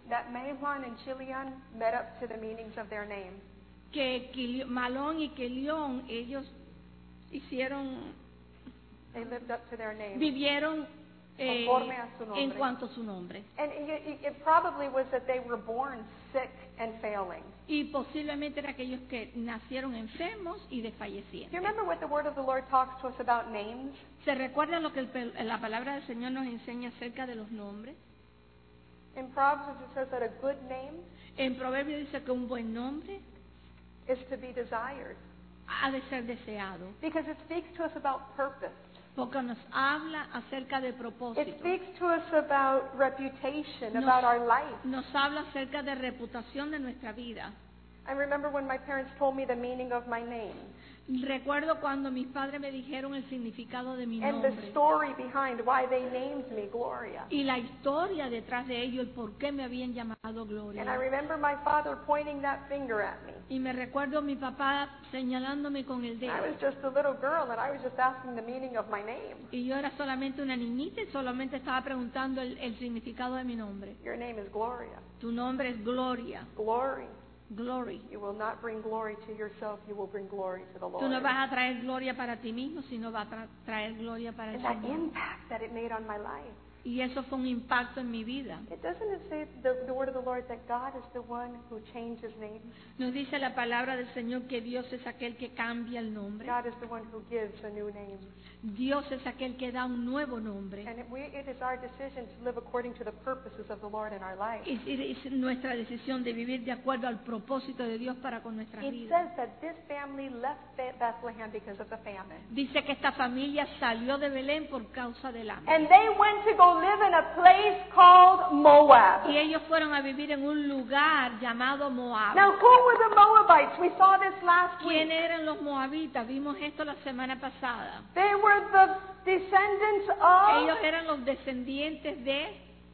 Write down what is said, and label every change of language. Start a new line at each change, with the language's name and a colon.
English: That Mahlon and Chilion met up to the meanings of their name.
Spanish: Que Mahlon y Chilion, ellos hicieron.
English: They lived up to their name.
Spanish: Vivieron. En cuanto a su nombre.
English: And it probably was that they were born sick and failing.
Spanish: Y posiblemente era aquellos que nacieron enfermos y desfallecientes.
English: Do you remember what the word of the Lord talks to us about names?
Spanish: ¿Se recuerdan lo que la palabra del Señor nos enseña acerca de los nombres?
English: In Proverbs it says that a good name.
Spanish: En Proverbios dice que un buen nombre.
English: Is to be desired.
Spanish: Ha de ser deseado.
English: Because it speaks to us about purpose.
Spanish: Porque nos habla acerca de propósito.
English: It speaks to us about reputation, about our life.
Spanish: Nos habla acerca de reputación de nuestra vida.
English: I remember when my parents told me the meaning of my name.
Spanish: Recuerdo cuando mis padres me dijeron el significado de mi nombre.
English: And the story behind why they named me Gloria.
Spanish: Y la historia detrás de ello, el por qué me habían llamado Gloria.
English: And I remember my father pointing that finger at me.
Spanish: Y me recuerdo mi papá señalándome con el dedo.
English: I was just a little girl and I was just asking the meaning of my name.
Spanish: Y yo era solamente una niñita y solamente estaba preguntando el significado de mi nombre.
English: Your name is Gloria.
Spanish: Tu nombre es Gloria.
English: Glory. Glory. You will not bring glory to yourself, you will bring glory to the Lord.
Spanish: Tú no vas a traer gloria para ti mismo, sino vas a traer gloria para el Señor.
English: And that impact that it made on my life.
Spanish: Y eso fue un impacto en mi vida.
English: It doesn't say the word of the Lord that God is the one who changes names.
Spanish: Nos dice la palabra del Señor que Dios es aquel que cambia el nombre.
English: God is the one who gives a new name.
Spanish: Dios es aquel que da un nuevo nombre.
English: And it is our decision to live according to the purposes of the Lord in our life.
Spanish: Es nuestra decisión de vivir de acuerdo al propósito de Dios para con nuestra vida.
English: It says that this family left Bethlehem because of the famine.
Spanish: Dice que esta familia salió de Belén por causa del hambre.
English: And they went to go live in a place called Moab.
Spanish: Y ellos fueron a vivir en un lugar llamado Moab.
English: Now, who were the Moabites? We saw this last week.
Spanish: ¿Quién eran los Moabitas? Vimos esto la semana pasada.
English: They were the descendants of.
Spanish: Ellos eran los descendientes de.